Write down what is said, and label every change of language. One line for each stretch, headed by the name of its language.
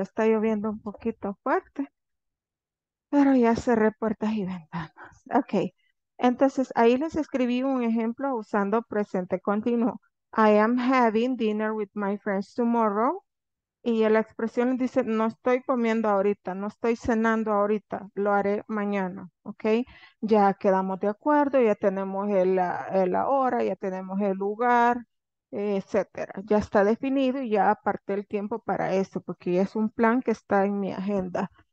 Spanish: Está lloviendo un poquito fuerte, pero ya cerré puertas y ventanas. Ok, entonces ahí les escribí un ejemplo usando presente continuo.
English: I am having dinner with my friends tomorrow.
Spanish: Y la expresión dice, no estoy comiendo ahorita, no estoy cenando ahorita, lo haré mañana, ¿ok? Ya quedamos de acuerdo, ya tenemos la hora, ya tenemos el lugar, etcétera. Ya está definido y ya aparté el tiempo para eso, porque ya es un plan que está en mi agenda.